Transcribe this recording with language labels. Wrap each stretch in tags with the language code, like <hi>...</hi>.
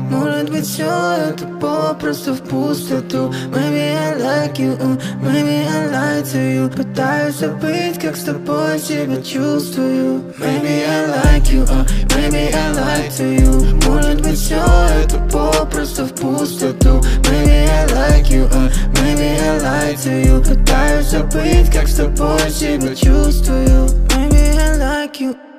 <ru>Может быть все это попросту в пустоту.</ru> <en>Maybe I like you, maybe I like to you.</en> <ru>Пытаюсь забыть, как с тобой себя чувствую.</ru> <en>Maybe I like you, maybe I like to you.</en> <ru>Может быть все это попросту в пустоту.</ru> <en>Maybe I like you, maybe I like to you.</en> <ru>Пытаюсь забыть, как с тобой себя чувствую.</ru> <en>Maybe I like you.</en>